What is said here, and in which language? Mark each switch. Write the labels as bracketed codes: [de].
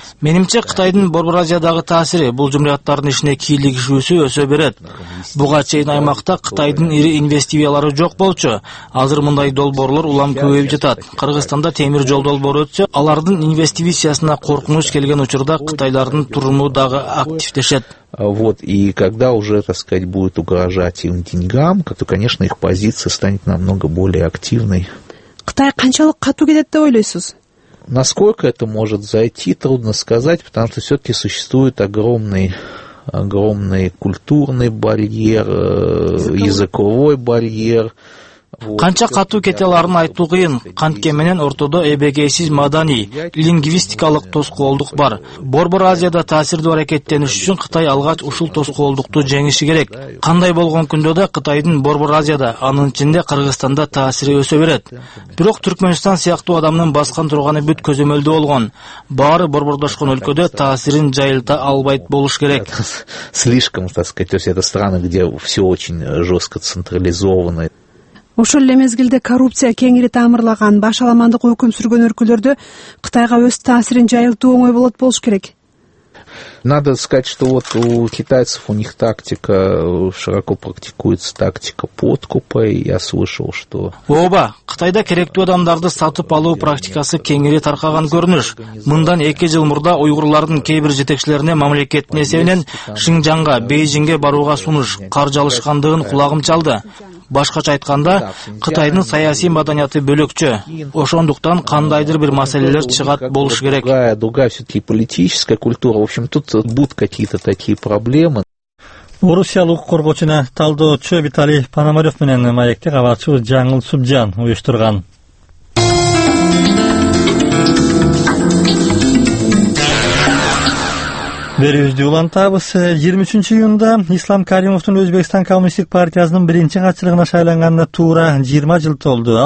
[ky] Менимче, Кытайдын Борбор Азиядагы таасири бул жумурияттардын ишине кийлигишүүсү өсө берет. Буга чейин аймакта Кытайдын ири инвестициялары жок болчу. Азыр мындай долбоорлор улам көбөйүп жатат. Кыргызстанда темир жол долбоору өтсө, алардын инвестициясына коркунуч келген учурда кытайлардын туруму дагы активдешет. [ru] Вот, и когда уже, так сказать, будет угрожать им деньгам, то, конечно, их позиция станет намного более активной. [ky] Кытай канчалык катуу кетет деп ойлойсуз? [ru] Насколько это может зайти, трудно сказать, потому что все-таки существует огромный культурный барьер, языковой барьер. [ky] Канча катуу кете аларын айтуу кыйын. Кантке менен ортодо эбегейсиз маданий, лингвистикалык тоскоолдук бар. Борбор Азияда таасирдүү аракеттениш үчүн Кытай алгач ушул тоскоолдукту жеңиши керек. Кандай болгон күндө да Кытайдын Борбор Азияда, анын ичинде Кыргызстанда таасири өсө берет. Бирок Түркмөнстан сыяктуу адамдын баскан турганы бүт көзөмөлдө болгон. Баары борбордошкон өлкөдө таасирин жайылта албайт болуш керек. [ru] Слишком, так сказать, это страны, где все очень жестко централизовано. [ky] Ошол эле мезгилде коррупция кеңири тамырлаган, баш аламандык өкүм сүргөн өлкөлөрдө Кытайга өз таасирин жайылтуу оңой болот болуш керек. [ru] Надо сказать, что вот у китайцев, у них тактика, широко практикуется тактика подкупа, и я слышал, что... [ky] Оба, Кытайда керектүү адамдарды сатып алуу практикасы кеңири таркаган көрүнүш. Мындан 2 жыл мурда уйгурлардын кээбир жетекчилерине мамлекеттин эсебинен Шинжаңга, Бейжиңге барууга сунуш, каржы алышкандыгын кулагым чалды. Башкача айтканда, Кытайдын саясий маданияты бөлөкчө. Ошондуктан кандайдыр бир маселелер чыгат болуш керек. [ru] Другая все-таки политическая культура. В общем, тут будут какие-то такие проблемы. [ky] Орусиялык коргоочуна талдоочу Виталий Пономарев менен маекти кабарчы Жаңыл Субжан уюштурган. Берүүбүздү улантабыз. 23 июнда Ислам Каримовдун Өзбекстан Коммунисттик партиясынын биринчи катчылыгына шайланганына туура 20 жыл толду.